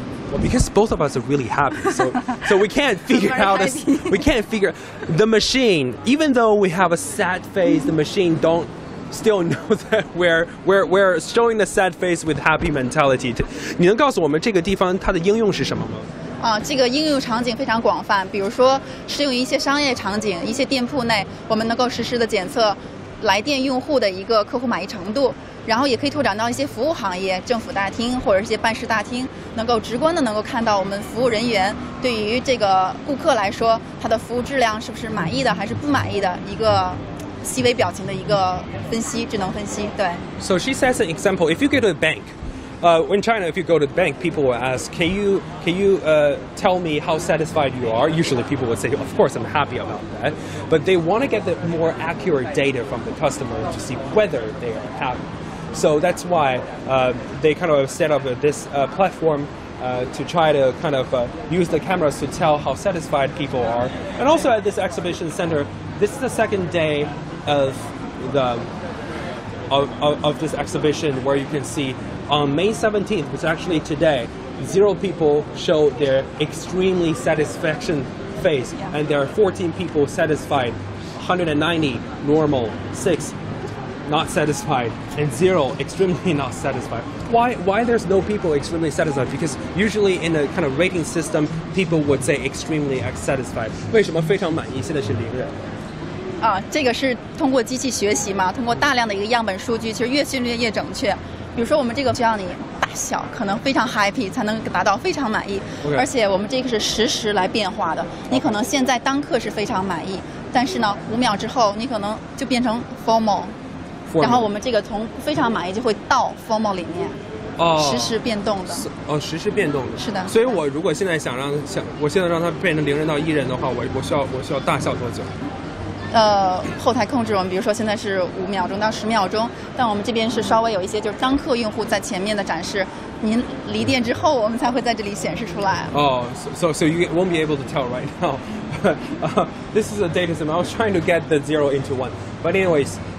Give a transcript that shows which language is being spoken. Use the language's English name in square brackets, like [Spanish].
[English] Well, because both of us are really happy, so we can't figure out this. We can't figure the machine, even though we have a sad face, the machine don't. Still know that we're showing the sad face with happy mentality. [Chinese] 你能告诉我们这个地方它的应用是什么吗？这个应用场景非常广泛，比如说适用于一些商业场景，一些店铺内，我们能够实时的检测来店用户的一个客户满意程度，然后也可以拓展到一些服务行业，政府大厅或者一些办事大厅，能够直观的能够看到我们服务人员对于这个顾客来说，他的服务质量是不是满意的还是不满意的一个。细微表情的一个分析，智能分析，对。 [English] So she says an example. If you go to a bank, in China, if you go to the bank, people will ask, can you tell me how satisfied you are? Usually, people would say, of course, I'm happy about that. But they want to get the more accurate data from the customer to see whether they are happy. So that's why they kind of set up this platform. To try to kind of use the cameras to tell how satisfied people are. And also at this exhibition center, this is the second day of this exhibition where you can see on May 17th, which is actually today, zero people show their extremely satisfaction face. And there are 14 people satisfied, 190 normal, 6not satisfied, and 0 extremely not satisfied. Why there's no people extremely satisfied? Because usually in a kind of rating system, people would say extremely satisfied. [Chinese] 为什么非常满意现在是零人？这个是通过机器学习嘛，通过大量的一个样本数据，其实越训练越整确。比如说我们这个需要你大小可能非常 happy 才能达到非常满意， [English] okay. [Chinese] 而且我们这个是实时来变化的，你可能现在当刻是非常满意，但是呢五秒之后你可能就变成 formal。然后我们这个从非常满意就会到 formal 里面，实时变动的。是的。所以我如果现在想让它变成零人到一人的话，我需要大笑多久？后台控制我们，比如说现在是5秒钟到10秒钟，但我们这边是稍微有一些就是当客用户在前面的展示，您离店之后我们才会在这里显示出来。 [English] So you won't be able to tell right now. This is a data set. I was trying to get the 0 into 1, but anyways.